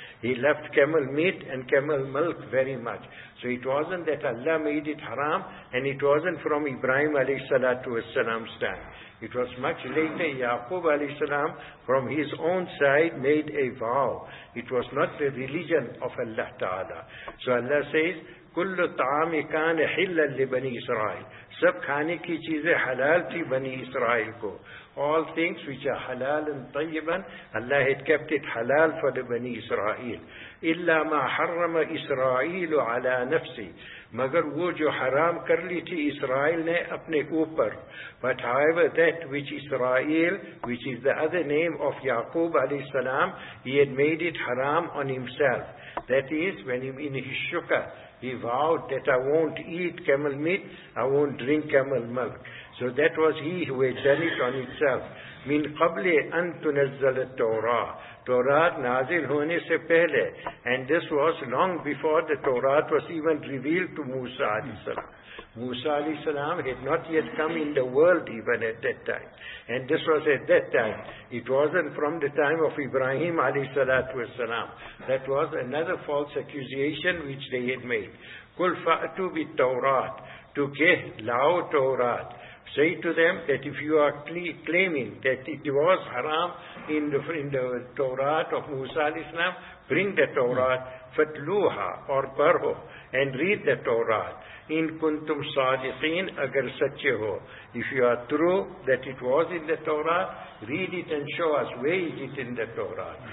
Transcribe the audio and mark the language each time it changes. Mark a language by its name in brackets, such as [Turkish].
[English] He loved camel meat and camel milk very much. So it wasn't that Allah made it haram, and it wasn't from Ibrahim alayhi salatu wasalam's time. It was much later, Yaqub alayhi salam, from his own side, made a vow. It was not the religion of Allah Ta'ala. So Allah says, [Arabic] كُلُّ طَعَامِ كَانَ حِلًّا لِبَنِي إِسْرَائِيلِ. [Urdu] سب کھانے کی چیزیں حلال تھی بنی اسرائیل کو. [English] All things which are halal and طیباً, Allah had kept it halal for the بنی اسرائیل. [Arabic] إِلَّا مَا حَرَّمَ إِسْرَائِيلُ عَلَى نَفْسِ, [Urdu] مگر وہ جو حرام کر لی تھی اسرائیل نے اپنے اوپر. [English] But however that which Israel, which is the other name of Yaqub علیہ السلام, he had made it haram on himself. That is, when he in his shukah, he vowed that I won't eat camel meat, I won't drink camel milk. So that was he who had done it on himself. [Arabic] من قبل أن تنزل التوراة, [Urdu] تورات نازل ہونے سے پہلے. [English] And this was long before the Torah was even revealed to Musa علیہ السلام. Musa علیہ السلام had not yet come in the world even at that time. And this was at that time. It wasn't from the time of Ibrahim علیہ السلام. That was another false accusation which they had made. [Arabic] قل فأتوا بالتوراة, [English] to get [Urdu] لاؤ تورات. [English] Say to them that if you are claiming that it was haram in the Torah of Musa al-Islam, bring the Torah, fatluha or parho, and read the Torah. [Arabic] In kuntum sadiqin, [Urdu] agar sachye ho. [English] If you are true that it was in the Torah, read it and show us where is it in the Torah.